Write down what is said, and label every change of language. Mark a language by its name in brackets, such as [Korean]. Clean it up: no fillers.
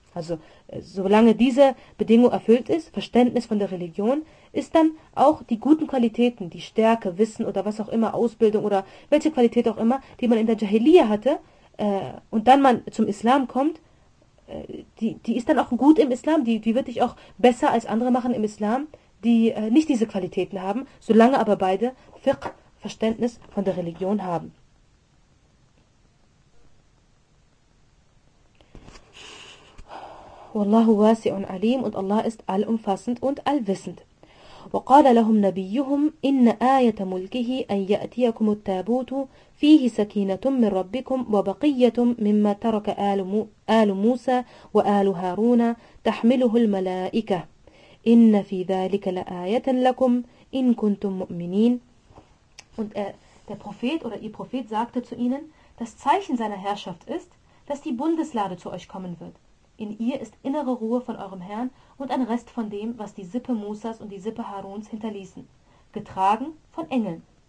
[German] Also solange diese Bedingung erfüllt ist, Verständnis von der Religion, ist dann auch die guten Qualitäten, die Stärke, Wissen oder was auch immer, Ausbildung oder welche Qualität auch immer, die man in der Dschahiliyyah hatte und dann man zum Islam kommt, die ist dann auch gut im Islam, die wird dich auch besser als andere machen im Islam, die nicht diese Qualitäten haben, solange aber beide Fiqh, Verständnis von der Religion haben. [Arabic] Wallahu wasi'un alim [German] und Allah ist allumfassend und allwissend. [Arabic] وقال لهم نبيهم إن آية ملكه أن يأتيكم التابوت فيه سكينة من ربكم وبقية مما ترك آل موسى وآل هارون تحمله الملائكة إن في ذلك لآية لكم إن كنتم مؤمنين. [German] Und der Prophet oder ihr Prophet sagte zu ihnen, das Zeichen seiner Herrschaft ist, dass die Bundeslade zu euch kommen wird. In ihr ist innere Ruhe von eurem Herrn und ein Rest von dem, was die Sippe Musas und die Sippe Haruns hinterließen, getragen von Engeln.